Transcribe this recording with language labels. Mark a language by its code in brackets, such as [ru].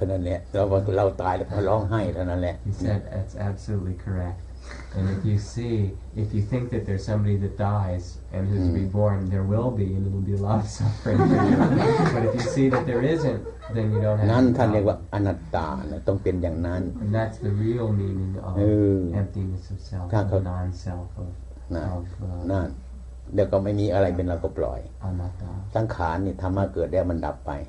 [th] ฉะนั้นเรื่องตายเกิดใหม่นี้แสดงว่าจะไม่มีใครตายไม่มีใครเกิดนั่นแหละไม่มีใครแล้วแต่เป็นใครมันก็ทุกข์เท่านั้นแหละ [en] เราตายแล้วก็ร้องไห้เท่านั้นแหละ He said that's absolutely correct and if you think that there's somebody that dies and is reborn there will be and it will be a lot of suffering but if you see that there isn't then you don't have [th] นั่น ท่านเรียกว่าอนัตตาต้องเป็นอย่างนั้น [en] and that's the real meaning of emptiness of self of non-self [th] นั่น เดี๋ยวก็ไม่มีอะไรเป็นเราก็ปล่อย สังขารนี่ธรรมะเกิดแล้วมันดับไป